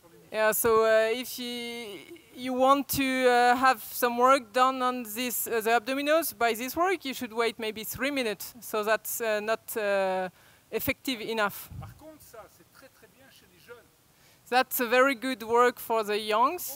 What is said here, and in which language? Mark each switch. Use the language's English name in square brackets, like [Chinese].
[English] Yeah, so if you want to have some work done on this the abdominals by this work, you should wait maybe 3 minutes. So that's not effective enough. [French] Par contre, ça, c'est très, très bien chez les jeunes. [English] That's a very good work for the youngs.